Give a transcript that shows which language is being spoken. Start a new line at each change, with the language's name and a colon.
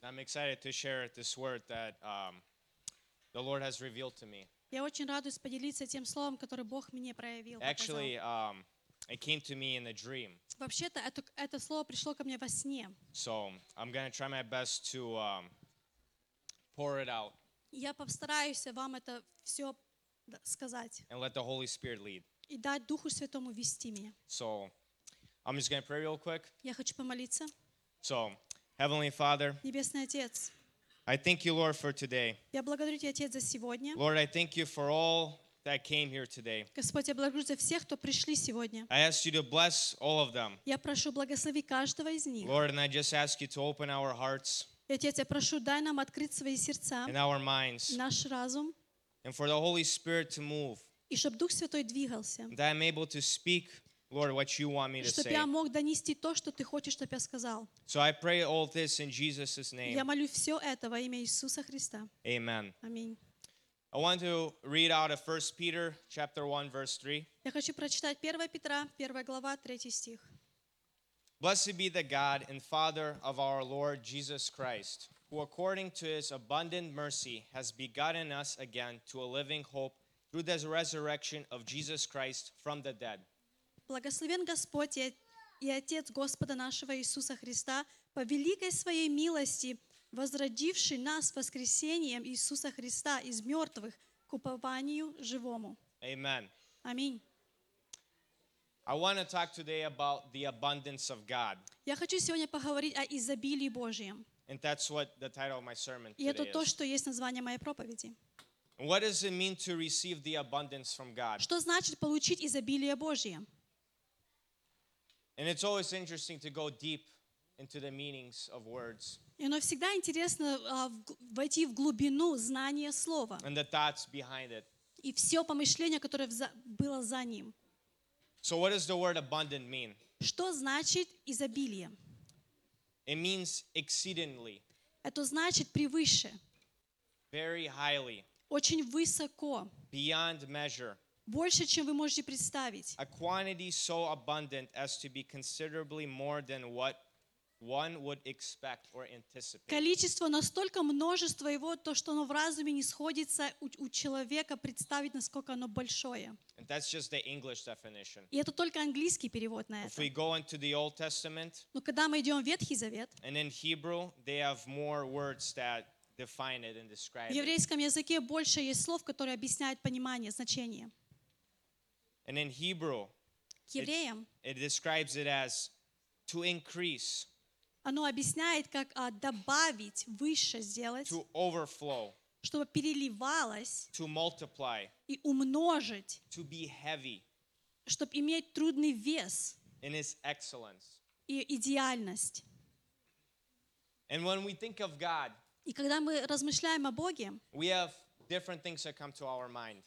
English: I'm excited to share this word that the Lord has revealed to me.
Russian: Я очень радуюсь поделиться тем словом, которое Бог мне проявил.
English: Actually, it came to me in a dream.
Russian: Вообще-то это слово пришло ко мне во сне.
English: So I'm gonna try my best to pour it out.
Russian: Я постараюсь вам это все сказать.
English: And let the Holy Spirit lead.
Russian: И дать Духу Святому вести меня.
English: So, I'm just gonna pray real quick.
Russian: Я хочу помолиться.
English: So, Heavenly Father,
Russian: Небесный Отец,
English: I thank you, Lord, for today.
Russian: Я благодарю Тебя, Отец, за сегодня.
English: Lord, I thank you for all that came here today.
Russian: Господь, я благодарю за всех, кто пришли сегодня.
English: I ask you to bless all of them.
Russian: Я прошу, благослови каждого из них.
English: Lord, and I just ask you to open our hearts.
Russian: И, Отец, я прошу, дай нам открыть свои сердца.
English: And our minds.
Russian: Наш разум.
English: And for the Holy Spirit to move.
Russian: И чтобы Дух Святой двигался.
English: That I'm able to speak, Lord, what you want me to say.
Russian: Чтобы я мог донести то, что ты хочешь, чтобы я сказал.
English: So I pray all this in Jesus' name.
Russian: Я молю все это во имя Иисуса Христа.
English: Amen.
Russian: Аминь.
English: I want to read out of 1 Peter chapter 1 verse 3.
Russian: Я хочу прочитать 1 Петра, 1 глава, 3 стих.
English: Blessed be the God and Father of our Lord Jesus Christ, who according to his abundant mercy has begotten us again to a living hope through the resurrection of Jesus Christ from the dead.
Russian: Благословен Господь и Отец Господа нашего Иисуса Христа по великой своей милости, возродивший нас воскресением Иисуса Христа из мертвых к упованию живому.
English: Amen.
Russian: Аминь.
English: I want to talk today about the abundance of God.
Russian: Я хочу сегодня поговорить о изобилии Божьем.
English: And that's what the title of my sermon today
Russian: is. И это то, что есть название моей проповеди.
English: What does it mean to receive the abundance from God?
Russian: Что значит получить изобилие Божье?
English: And it's always interesting to go deep into the meanings of words.
Russian: И оно всегда интересно войти в глубину знания слова.
English: And the thoughts behind it.
Russian: И все помышление, которое было за ним.
English: So what does the word abundant mean?
Russian: Что значит изобилие?
English: It means exceedingly.
Russian: Это значит превыше.
English: Very highly.
Russian: Очень высоко.
English: Beyond measure.
Russian: Больше, чем вы можете представить.
English: A quantity so abundant as to be considerably more than what one would expect or anticipate.
Russian: Количество настолько множество его, то, что оно в разуме не сходится у человека представить, насколько оно большое.
English: And that's just the English definition.
Russian: И это только английский перевод на это.
English: If we go into the Old Testament,
Russian: но когда мы идем в Ветхий Завет,
English: and in Hebrew, they have more words that define it and describe it.
Russian: В еврейском языке больше есть слов, которые объясняют понимание, значение.
English: And in Hebrew,
Russian: к евреям,
English: it describes it as to increase.
Russian: Оно объясняет, как добавить, выше сделать,
English: to overflow,
Russian: чтобы переливалось,
English: to multiply,
Russian: и умножить,
English: to be heavy,
Russian: чтобы иметь трудный вес,
English: in its excellence,
Russian: и идеальность.
English: And when we think of God,
Russian: и когда мы размышляем о Боге,
English: we have different things that come to our mind.